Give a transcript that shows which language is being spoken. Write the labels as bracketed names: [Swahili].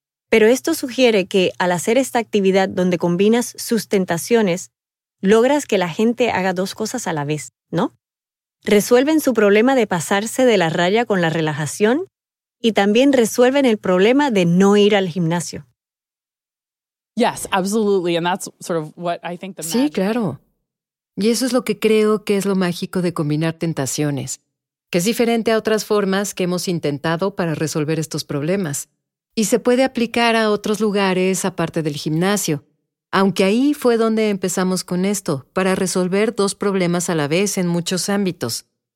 [Spanish] Pero esto sugiere que, al hacer esta actividad donde combinas sus tentaciones, logras que la gente haga dos cosas a la vez, ¿no? Resuelven su problema de pasarse de la raya con la relajación y también resuelven el problema de no ir al gimnasio. [English] Yes, absolutely, and that's sort of what I think the [Spanish] magic. Sí, claro. Y eso es lo que creo que es lo mágico de combinar tentaciones, que es diferente a otras formas que hemos intentado para resolver estos problemas. Y se puede aplicar a otros lugares aparte del gimnasio, aunque ahí fue donde empezamos con esto, para resolver dos problemas a la vez en muchos ámbitos.